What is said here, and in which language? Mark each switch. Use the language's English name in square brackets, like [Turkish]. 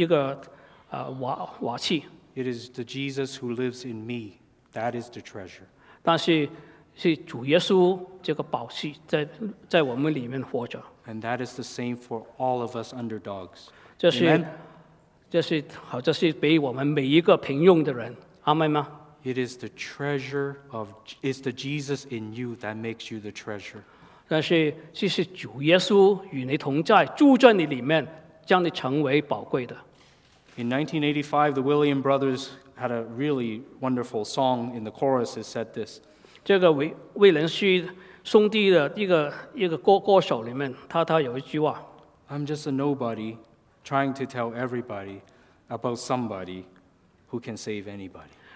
[Chinese] 我只是破碎的一个瓦器。 [English] It is the Jesus who lives in me. That is the treasure. [Chinese] 但是主耶稣这个宝器在我们里面活着。 [English] And that is the same for all of us underdogs. [Chinese] 这是好，这是被我们每一个平庸的人，阿门吗？ [English] It is the treasure of, it's the Jesus in you that makes you the treasure. [Chinese] 但是，其实主耶稣与你同在，住在你里面，将你成为宝贵的。 [English] In 1985, the William Brothers had a really wonderful song in the chorus. It said this. [Chinese] 这个魏仁旭兄弟的一个歌手里面，他有一句话。 [English] I'm just a nobody trying to tell everybody about somebody who can save anybody.